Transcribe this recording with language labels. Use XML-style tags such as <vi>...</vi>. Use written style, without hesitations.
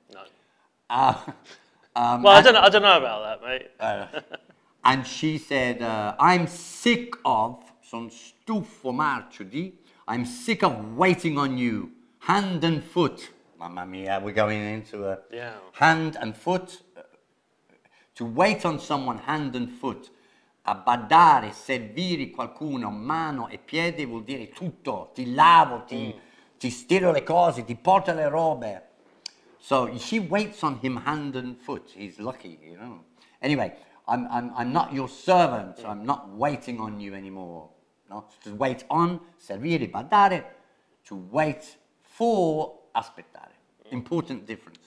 <en>No. I don't know about that, mate. And she said, I'm sick of,</en> <it>son stufo marcio di,</it> <en>I'm sick of waiting on you, hand and foot.</en> <it>Mamma mia,</it> <en>we're going into a hand and foot. To wait on someone hand and foot.</en> <it>A badare, servire qualcuno, mano e piede, vuol dire tutto. Ti lavo, ti stiro le cose, ti porto le robe.</it> <en>So she waits on him hand and foot. He's lucky, you know. Anyway, I'm not your servant. Mm. I'm not waiting on you anymore. No? To wait on,</en> <it>servire, badare.</it> <en>To wait for, aspettare. Mm. Important difference.</en>